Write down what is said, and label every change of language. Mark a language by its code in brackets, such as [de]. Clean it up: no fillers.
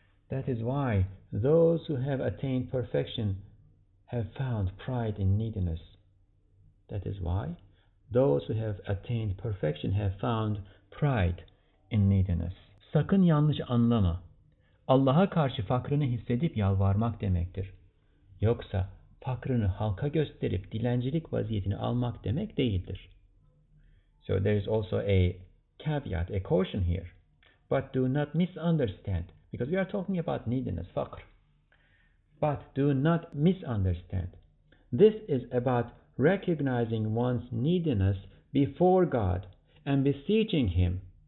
[en] That is why those who have attained perfection have found pride in neediness. That is why those who have attained perfection have found pride in neediness. [tr] Sakın yanlış anlama. Allah'a karşı fakrını hissedip yalvarmak demektir. Yoksa fakrını halka gösterip dilencilik vaziyetini almak demek değildir. [en] So there is also a caveat, a caution here. But do not misunderstand, because we are talking about neediness, fakr. But do not misunderstand. This is about recognizing one's neediness before God and beseeching him.